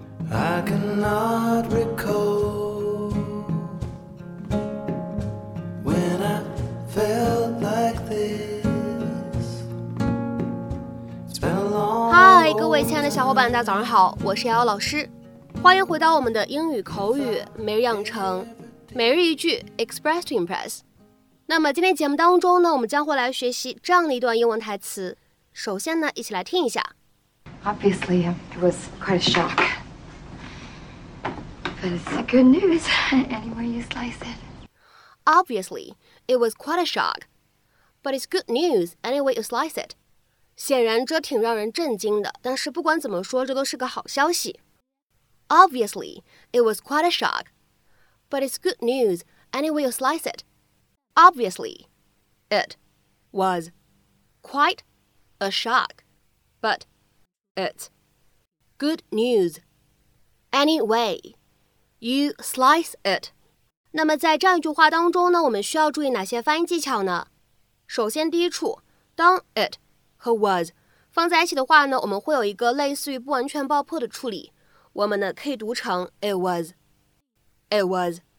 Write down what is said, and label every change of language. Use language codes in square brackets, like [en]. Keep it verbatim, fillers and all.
[en] I cannot recall when I felt like this. It's been a long. [zh] 嗨，各位亲爱的小伙伴，大家早上好，我是瑶瑶老师，欢迎回到我们的英语口语每日养成，每日一句 [en] Express to Impress。 [zh] 那么今天节目当中呢，我们将会来学习这样的一段英文台词。首先呢，一起来听一下。 [en] Obviously, it was quite a shock, but it's good news anywhere you slice it. Obviously, it was quite a shock, but it's good news anywhere you slice it. [zh] 显然这挺让人震惊的，但是不管怎么说，这都是个好消息。 [en] Obviously, it was quite a shock, but it's good news anywhere you slice it. Obviously, it was quite a shock, but it's good news. Anyway, you slice it. [zh] 那么在这样一句话当中呢，我们需要注意哪些发音技巧呢？首先第一处，当 it 和 was 放在一起的话呢，我们会有一个类似于不完全爆破的处理，我们呢可以读成 it was, it was.